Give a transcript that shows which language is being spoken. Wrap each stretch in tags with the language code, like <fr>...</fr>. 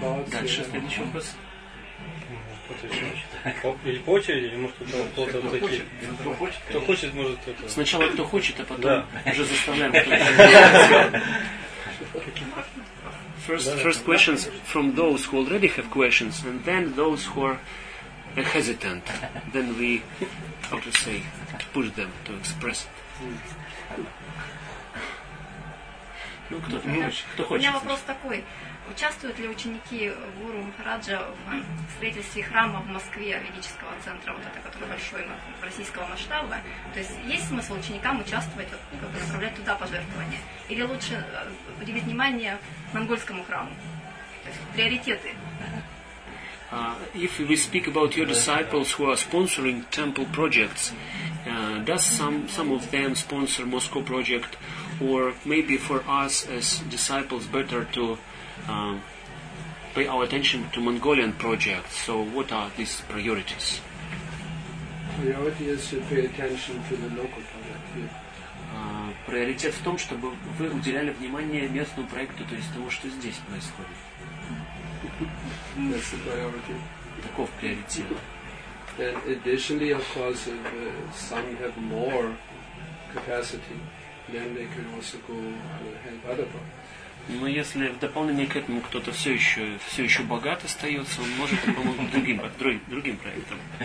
<ru>Дальше следующий вопрос. Или по очереди, или может кто-то вот такие. Кто хочет, может кто-то. Сначала кто хочет, а потом уже заставляем.</ru> <en>First questions from those who already have questions, and then those who are hesitant. Then we, how to say, push them to express it.</en> <ru>Ну, кто хочет. У меня вопрос такой. Участвуют ли ученики Гуру Махараджа в строительстве храма в Москве, ведического центра, вот это, который большой, российского масштаба? То есть есть смысл ученикам участвовать, вот, как бы направлять туда пожертвования? Или лучше уделить внимание монгольскому храму? То есть приоритеты.</ru> <en>If we speak about your disciples who are sponsoring temple projects, does some of them sponsor Moscow project, or maybe for us as disciples better to pay our attention to Mongolian projects? So what are these priorities? Priority is to pay attention to the local project here.</en> <ru>Приоритет в том, чтобы вы уделяли внимание местному проекту, то есть тому, что здесь происходит.</ru> <en>That's the priority.</en> <ru>Таков приоритет.</ru> <en>And additionally, of course, if some have more capacity, then they can also go and help other projects.</en> <ru>Но если в дополнение к этому кто-то все еще богат остается, он может помочь другим проектам.</ru>